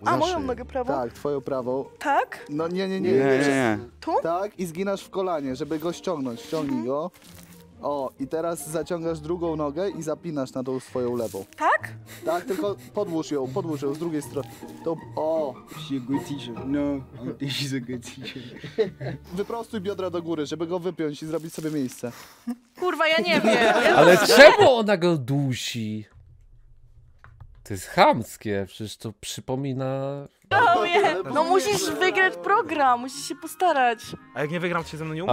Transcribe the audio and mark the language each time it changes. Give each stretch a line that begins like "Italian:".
Polish: A, moją nogę prawą? Tak, twoją prawą. Tak? No nie, nie, nie. Tu? Tak, i zginasz w kolanie, żeby go ściągnąć. Ściągnij go. O, i teraz zaciągasz drugą nogę i zapinasz na tą swoją lewą. Tak? Tak, tylko podłóż ją z drugiej strony. To, o!
English: This is a good teacher. No, this is a good teacher.
Polish: Wyprostuj biodra do góry, żeby go wypiąć i zrobić sobie miejsce. Kurwa, ja nie wiem. Ale czemu ona go dusi? To jest chamskie, przecież to przypomina... No musisz wygrać program, musisz się postarać. A jak nie wygram, to się ze mną nie umiesz.